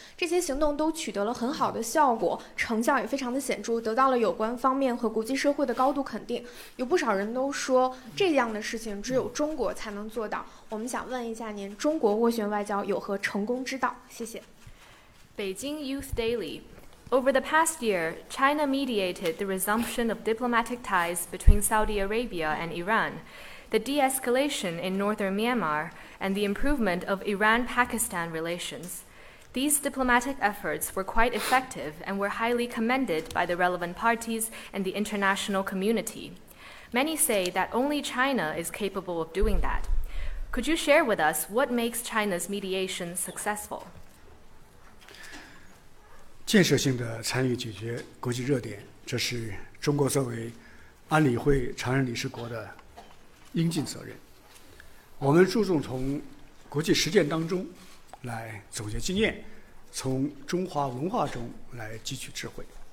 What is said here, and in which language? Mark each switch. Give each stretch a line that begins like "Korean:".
Chinese: 这些行动都取得了很好的效果，成效也非常的显著，得到了有关方面和国际社会的高度肯定。有不少人都说，这样的事情只有中国才能做到。我们想问一下您，中国斡旋外交有何成功之道？谢谢。北京 Youth Daily。
English: Over the past year, China mediated the resumption of diplomatic ties between Saudi Arabia and Iran, the de-escalation in northern Myanmar, and the improvement of Iran-Pakistan relations. These diplomatic efforts were quite effective and were highly commended by the relevant parties and the international community. Many say that only China is capable of doing that. Could you share with us what makes China's mediation successful?
Chinese: 建设性的参与解决国际热点，这是中国作为安理会常任理事国的应尽责任。我们注重从国际实践当中来总结经验，从中华文化中来汲取智慧。